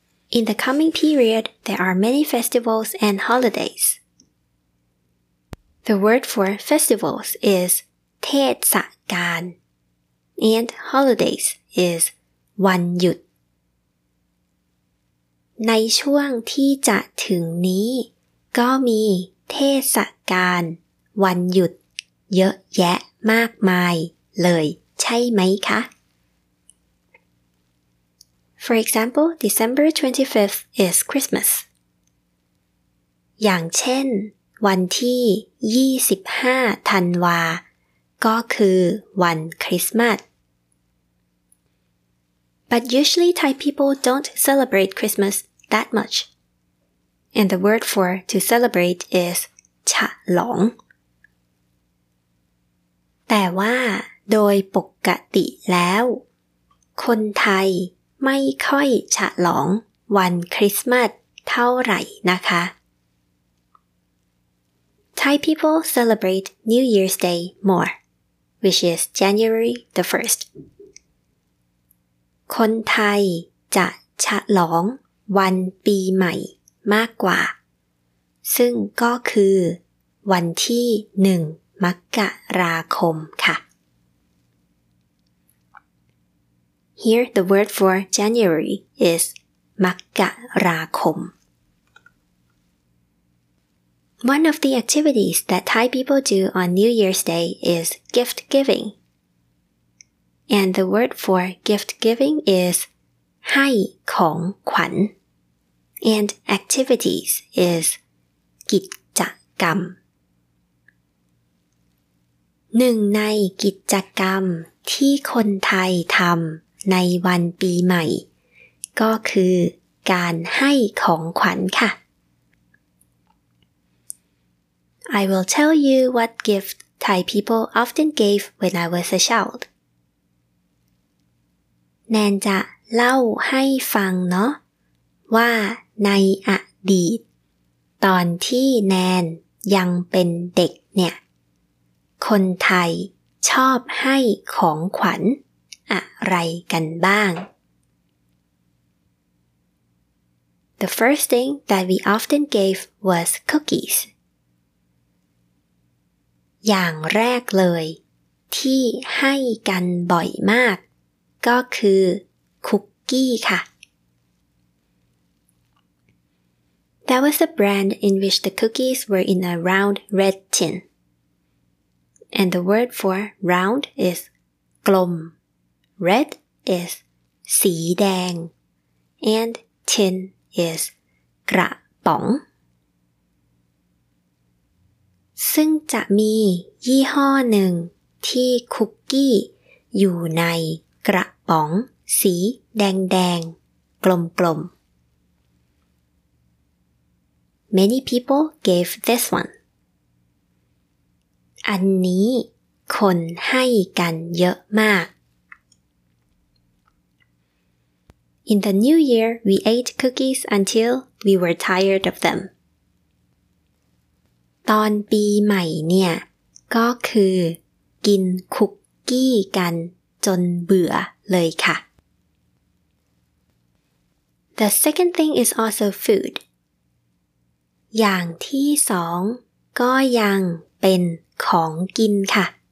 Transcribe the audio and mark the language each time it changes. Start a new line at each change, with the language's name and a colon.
English: In the coming period, there are many festivals and holidays. The word for festivals is Thetsakan, and holidays is Wanyut.
Thai: ในช่วงที่จะถึงนี้ก็มีเทศกาลวันหยุดเยอะแยะมากมายเลยใช่ไหมคะ
English: For example, December 25th is Christmas.
Thai: อย่างเช่นวันที่25ธันวาก็คือวันคริสต์มาส
English: But usually Thai people don't celebrate Christmas that much. And the word for to celebrate is cha long.
Thai: แต่ว่าโดยปกติแล้วคนไทยไม่ค่อยฉลองวันคริสต์มาสเท่าไหร่นะคะ
English: Thai people celebrate New Year's Day more, which is January the 1st.
Thai: คนไทยจะฉลองวันปีใหม่มากกว่าซึ่งก็คือวันที่1มกราคมค่ะ
English: Here the word for January is มกราคม One of the activities that Thai people do on New Year's Day is gift giving. And the word for gift giving is ให้ของขวัญ And activities is กิจกรรม
Thai: หนึ่งในกิจกรรมที่คนไทยทำในวันปีใหม่ก็คือการให้ของขวัญค่ะ
English: I will tell you what gift Thai people often gave when I was a child.
Thai: แนนจะเล่าให้ฟังเนาะว่าในอดีตตอนที่แนนยังเป็นเด็กเนี่ยคนไทยชอบให้ของขวัญอะไรกันบ้าง
English: The first thing that we often gave was cookies.
Thai: อย่างแรกเลยที่ให้กันบ่อยมากก็คือคุกกี้ค่ะ
English: That was the brand in which the cookies were in a round red tin. And the word for round is
Thai: กลม
English: Red is
Thai: สีแดง
English: And tin is
Thai: กระป๋องซึ่งจะมียี่ห้อหนึ่งที่คุกกี้อยู่ในกระป๋องสีแดงๆกลม
English: ๆ Many people gave this one.
Thai: อันนี้คนให้กันเยอะมาก
English: In the new year, we ate cookies until we were tired of them.
Thai: ตอนปีใหม่เนี่ยก็คือกินคุกกี้กันจนเบื่อเลยค่ะ
English: The second thing is also food.
Thai: อย่างที่สองก็ยังเป็นของกินค่ะ